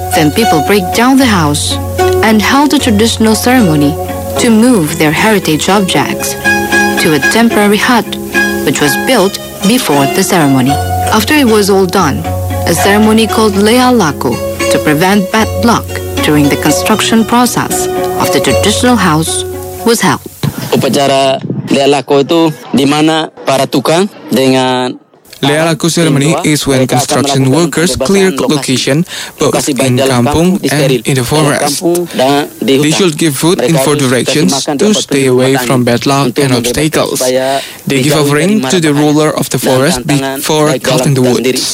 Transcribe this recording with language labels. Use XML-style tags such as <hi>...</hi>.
<en>Then people break down the house and held a traditional ceremony to move their heritage objects to a temporary hut, which was built before the ceremony. After it was all done, a ceremony called Lea Laku to prevent bad luck during the construction process of the traditional house was held.</en> <id>Upacara Lea Laku itu di mana para tukang dengan</id> <en>Lea Laku ceremony is when construction workers clear location both in kampung and in the forest. They should give food in four directions to stay away from bad luck and obstacles. They give a ring to the ruler of the forest before cutting the wood.</en>